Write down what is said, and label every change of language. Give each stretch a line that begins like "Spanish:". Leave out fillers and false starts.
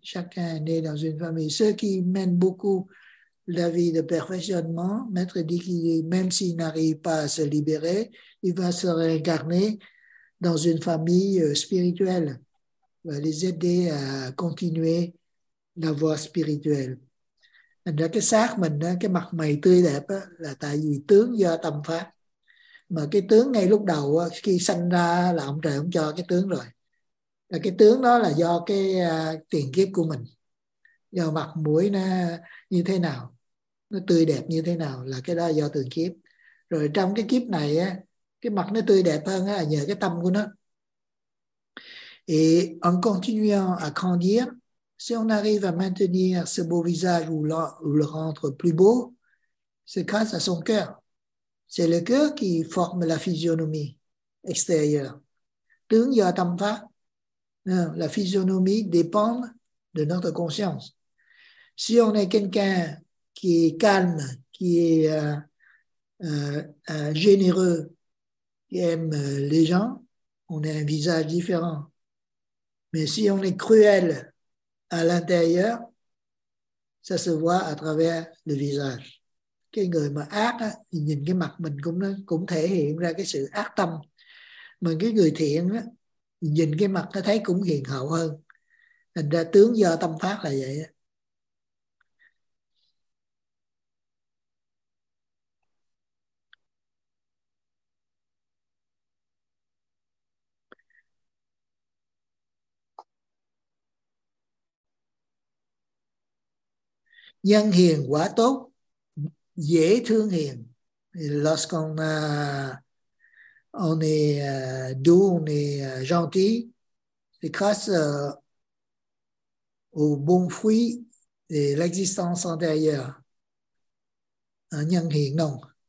French: Chacun est né dans une famille. Ceux qui mènent beaucoup la vie de perfectionnement, Maître dit qu'il, même s'il n'arrive pas à se libérer, il va se réincarner dans une famille spirituelle. Il va les aider à continuer la voie spirituelle.
Vietnamese: Thành ra cái xác mình, cái mặt mày tươi đẹp là tại vì tướng do tâm phát. Mà cái tướng ngay lúc đầu khi sanh ra là ông trời không cho cái tướng rồi. Và cái tướng đó là do cái tiền kiếp của mình. Do mặt mũi nó như thế nào, nó tươi đẹp như thế nào là cái đó do tiền kiếp. Rồi trong cái kiếp này, cái mặt nó tươi đẹp hơn là nhờ cái tâm của nó.
French: Et en continuant à grandir, si on arrive à maintenir ce beau visage ou le rendre plus beau, c'est grâce à son cœur. C'est le cœur qui forme la physionomie extérieure.
Vietnamese: Tướng do tâm phát.
French: La physionomie dépend de notre conscience. Si on est quelqu'un qui est calme, qui est généreux, qui aime les gens, on a un visage différent. Mais si on est cruel à l'intérieur, ça se voit à travers le visage.
Vietnamese: Cái người mà ác á, thì nhìn cái mặt mình cũng thể hiện ra cái sự ác tâm. Mà cái người thiện á, nhìn cái mặt nó thấy cũng hiền hậu hơn. Thành ra tướng do tâm phát là vậy. Nhân hiền quả tốt, dễ thương hiền.
French: Lorsqu'on on est doux, on est gentil, c'est grâce au bon fruit de l'existence antérieure.
Vietnamese: Nhân hiền,
French: non.